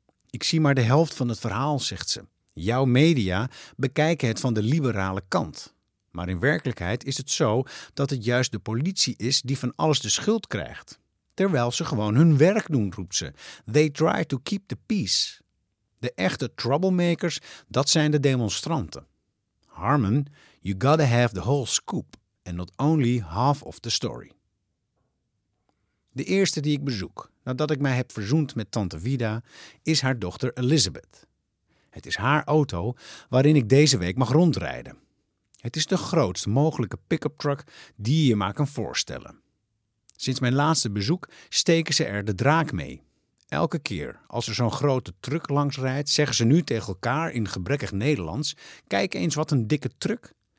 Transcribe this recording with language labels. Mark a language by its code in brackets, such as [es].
[nl] Ik zie maar de helft van het verhaal, zegt ze. Jouw media bekijken het van de liberale kant. Maar in werkelijkheid is het zo dat het juist de politie is die van alles de schuld krijgt. Terwijl ze gewoon hun werk doen, roept ze. [en] They try to keep the peace. [nl] De echte troublemakers, dat zijn de demonstranten. [en] Harmon, you gotta have the whole scoop and not only half of the story. [nl] De eerste die ik bezoek, nadat ik mij heb verzoend met tante Wida, is haar dochter Elizabeth. Het is haar auto waarin ik deze week mag rondrijden. Het is de grootst mogelijke pick-up truck die je je maar kan voorstellen. Sinds mijn laatste bezoek steken ze er de draak mee. Elke keer als er zo'n grote truck langs rijdt, zeggen ze nu tegen elkaar in gebrekkig Nederlands, kijk eens wat een dikke truck.